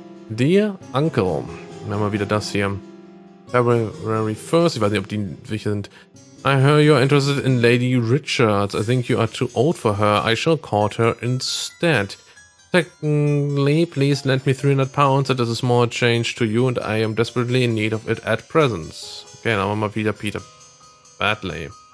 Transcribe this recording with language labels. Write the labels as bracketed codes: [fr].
[en] Dear Uncle, [de] wir haben mal wieder das hier. [en] February 1st, [de] ich weiß nicht, ob die welche sind. [en] I hear you're interested in Lady Richards. I think you are too old for her. I shall court her instead. Secondly, please lend me 300 pounds. That is a small change to you and I am desperately in need of it at present. [de] Okay, dann haben wir mal wieder Peter Badley.